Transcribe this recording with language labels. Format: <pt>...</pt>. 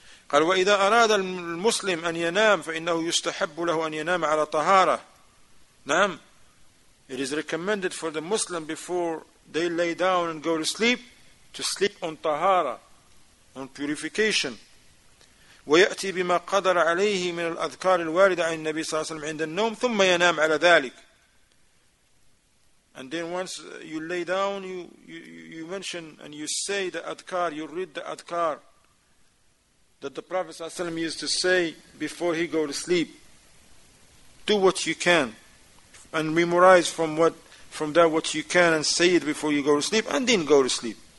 <ar>قال, وَإِذَا أَرَادَ الْمُسْلِمْ أَنْ يَنَامْ فَإِنَّهُ يُسْتَحَبُّ لَهُ أَنْ يَنَامَ عَلَى طَهَارَةٍ.</ar> <en>Naam, it is recommended for the Muslim before they lay down and go to sleep to sleep on tahara, on purification.</en> <ar>ويأتي بما قدر عليه من الأذكار الواردة عن النبي صلى الله عليه وسلم عند النوم ثم ينام على ذلك.</ar> <en>And then once you lay down, you mention and you say the adhkar, you read the adhkar that the Prophet ﷺ used to say before he goes to sleep. Do what you can and memorize from that what you can and say it before you go to sleep and then go to sleep.</en>